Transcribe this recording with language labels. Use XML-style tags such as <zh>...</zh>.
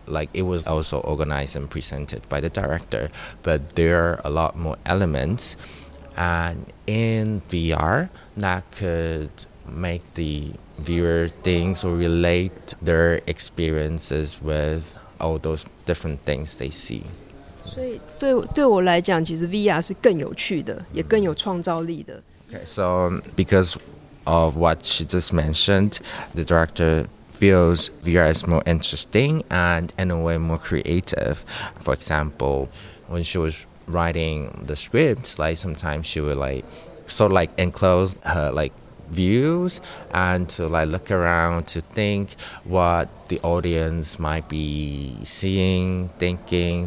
<en>Like it was also organized and presented by the director, but there are a lot more elements. And in VR, that could make the viewer things or relate their experiences with all those different things they see.</en> <zh>所以对我来讲, 其实VR是更有趣的, 也更有创造力的。</zh> <en>Okay, so because of what she just mentioned, the director feels VR is more interesting and in a way more creative. For example, when she was writing the script, like sometimes she would like sort of like enclose her like views and to like look around to think what the audience might be seeing, thinking.</en>